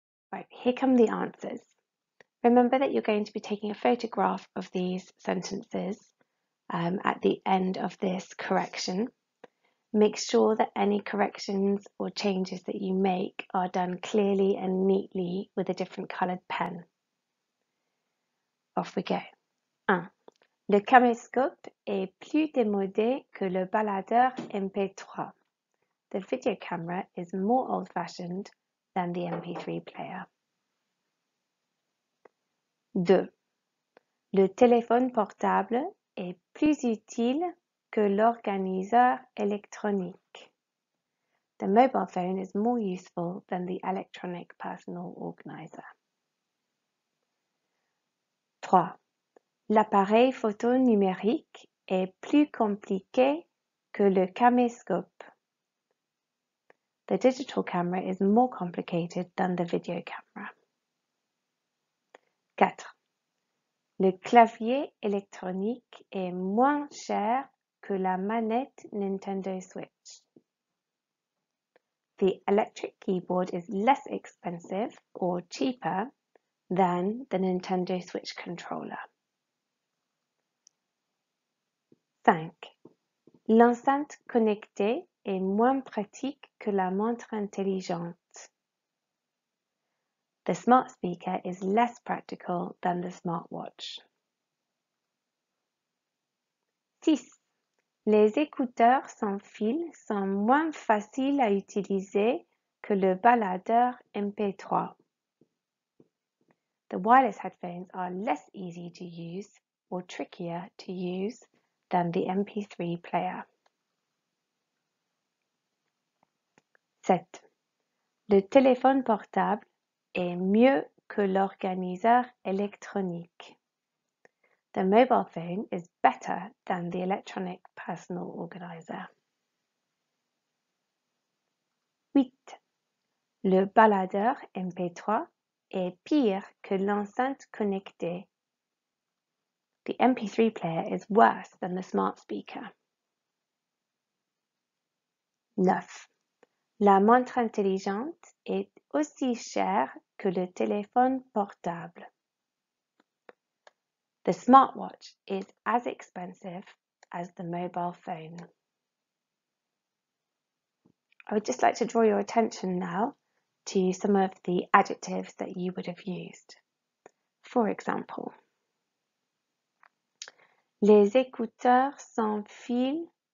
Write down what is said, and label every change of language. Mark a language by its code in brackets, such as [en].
[en] Right, here come the answers. Remember that you're going to be taking a photograph of these sentences at the end of this correction. Make sure that any corrections or changes that you make are done clearly and neatly with a different coloured pen. Off we go. 1. [fr] Le caméscope est plus démodé que le baladeur MP3. [en] The video camera is more old-fashioned than the MP3 player. 2. [fr] Le téléphone portable est plus utile que l'organiseur électronique. [en] The mobile phone is more useful than the electronic personal organizer. 3. [fr] L'appareil photo numérique est plus compliqué que le caméscope. [en] The digital camera is more complicated than the video camera. 4. [fr] Le clavier électronique est moins cher que la manette Nintendo Switch. [en] The electric keyboard is less expensive or cheaper than the Nintendo Switch controller. 5. [fr] L'enceinte connectée est moins pratique que la montre intelligente. [en] The smart speaker is less practical than the smartwatch. 6. [fr] Les écouteurs sans fil sont moins faciles à utiliser que le baladeur MP3. [en] The wireless headphones are less easy to use or trickier to use than the MP3 player. 7. [fr] Le téléphone portable est mieux que l'organiseur électronique. [en] The mobile phone is better than the electronic personal organizer. 8. [fr] Le baladeur MP3 est pire que l'enceinte connectée. [en] The MP3 player is worse than the smart speaker. 9. [fr] La montre intelligente est aussi chère que le téléphone portable. [en] The smartwatch is as expensive as the mobile phone. I would just like to draw your attention now to some of the adjectives that you would have used. For example, [fr] les écouteurs sans fil.